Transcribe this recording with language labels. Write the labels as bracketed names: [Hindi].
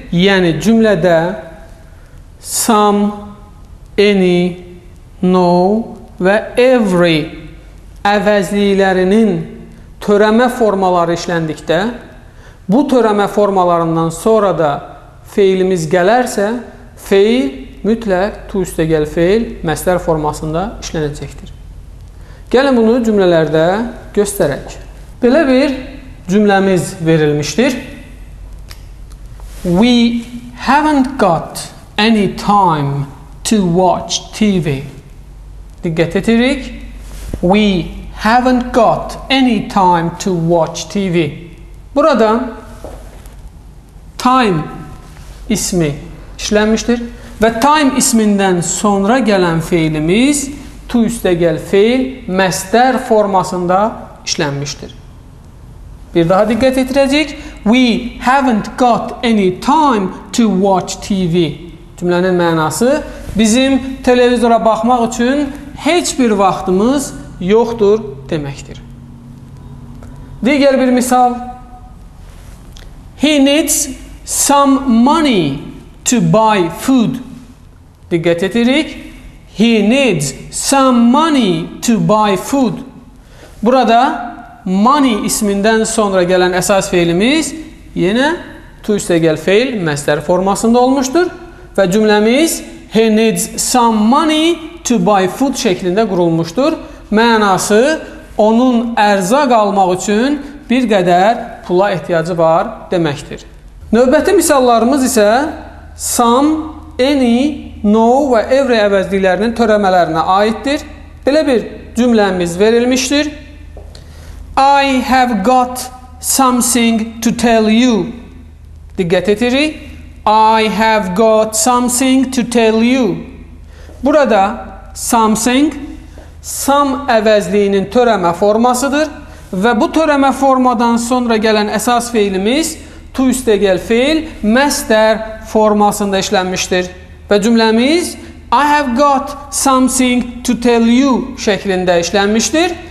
[Azerbaijani] Yəni cümlədə some, any, no və every əvəzliklərinin törəmə formaları işləndikdə bu törəmə formalarından sonra da feilimiz gələrsə, feil mütləq to üstəgəl feil məsdər formasında işlənəcəkdir. Gəlin bunu cümlələrdə göstərək. Belə bir cümləmiz verilmişdir. [English] We haven't got any time to watch TV. [Azerbaijani] Diqqət edirik. [English] We haven't got any time to watch TV. [Azerbaijani] Burada time ismi işlənmişdir və time ismindən sonra gələn feilimiz to üstəgəl feil məsdər formasında işlənmişdir. Bir daha diqqət etdirəcək. [English] We haven't got any time to watch TV. [Azerbaijani] Cümlənin mənası, bizim televizora baxmaq üçün heç bir vaxtımız yoxdur deməkdir. Digər bir misal. [English] He needs some money to buy food. [Azerbaijani] Diqqət etdirək. [English] He needs some money to buy food. [Azerbaijani] Burada money ismindən sonra gələn əsas feilimiz yenə to üstəgəl feil məsdər formasında olmuşdur və cümləmiz [English] he needs some money to buy food [Azerbaijani] şəklində qurulmuşdur. Mənası onun ərzaq almaq üçün bir qədər pula ehtiyacı var deməkdir. Növbəti misallarımız isə some, any, no və every əvəzliklərinin törəmələrinə aiddir. Belə bir cümləmiz verilmişdir. [English] I have got something to tell you. [Azerbaijani] Diqqət edirik. [English] I have got something to tell you. [Azerbaijani] Burada something some əvəzliyinin törəmə formasıdır və bu törəmə formadan sonra gələn əsas feilimiz to üstəgəl feil məsdər formasında işlənmişdir və cümləmiz [English] I have got something to tell you [Azerbaijani] şəklində işlənmişdir.